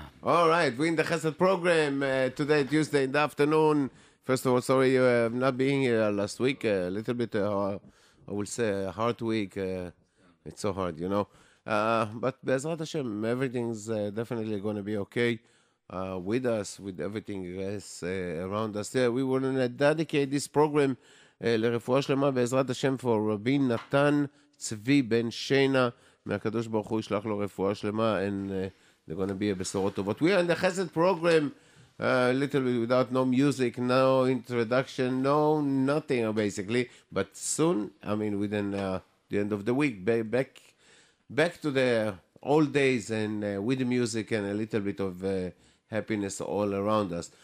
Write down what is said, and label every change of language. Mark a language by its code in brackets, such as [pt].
[en] All right, we're in the Chesed program today, Tuesday in the afternoon. First of all, sorry you have not been here last week. A little bit, I will say, a hard week. It's so hard, you know. But Be'ezrat Hashem, everything's definitely going to be okay with us, with everything else around us. Yeah, we want to dedicate this program [he] לרפואה שלמה בעזרת השם [en] for [he] רבי נתן צבי בן שינה מהקדוש ברוך הוא ישלח לו רפואה שלמה [en] and they're going to be a [he] בשורות טובות. [en] We are in the chesed program little bit without no music, no introduction, no nothing basically, but soon, I mean within the end of the week, back to the old days and with the music and a little bit of happiness all around us.